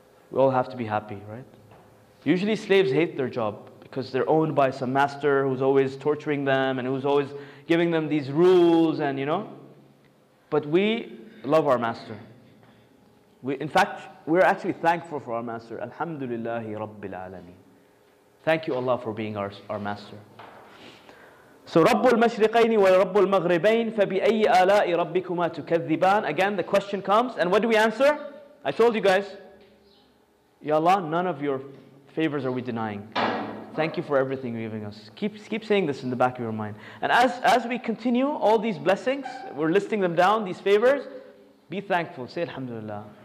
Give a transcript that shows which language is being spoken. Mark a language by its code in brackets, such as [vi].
[en] We all have to be happy, right? Usually slaves hate their job because they're owned by some master who's always torturing them and who's always giving them these rules and, you know, but we love our master. We're actually thankful for our master. Alhamdulillahi Rabbil Alameen. Thank you Allah for being our master. [ar] So رب المشرقين ورب المغربين فبأي آلاء ربكما تكذبان. [en] Again, the question comes, and what do we answer? I told you guys, Ya Allah, none of your favors are we denying. Thank you for everything you're giving us. Keep saying this in the back of your mind. And as we continue all these blessings, we're listing them down, these favors, be thankful. Say Alhamdulillah.